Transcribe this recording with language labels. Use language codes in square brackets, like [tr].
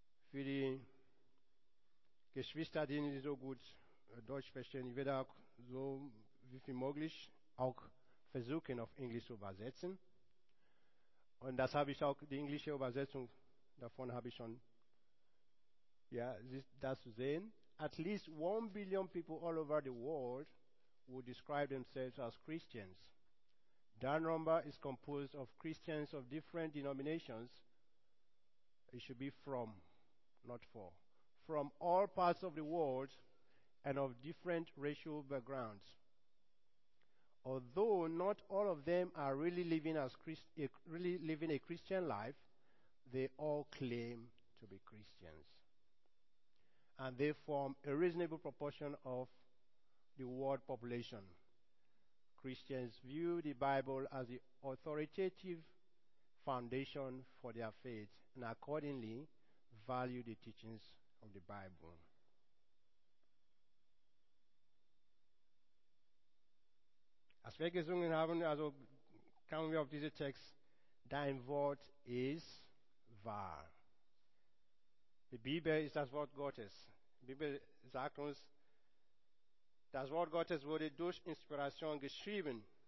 [de] Für die Geschwister, die nicht so gut Deutsch verstehen, ich werde auch so wie viel möglich auch versuchen, auf Englisch zu übersetzen. Und das habe ich auch, die englische Übersetzung davon habe ich schon, ja, das zu sehen. [en] At least 1 billion people all over the world would describe themselves as Christians. That number is composed of Christians of different denominations. It should be from, not for. From all parts of the world and of different racial backgrounds. Although not all of them are really living a Christian life, they all claim to be Christians. And they form a reasonable proportion of the world population. Christians view the Bible as the authoritative foundation for their faith and accordingly value the teachings of the Bible. As we [de] gesungen haben, also kommen wir auf diesen Text, dein Wort ist wahr. Die Bibel ist das Wort Gottes. Die Bibel sagt uns, das Wort Gottes wurde durch Inspiration geschrieben.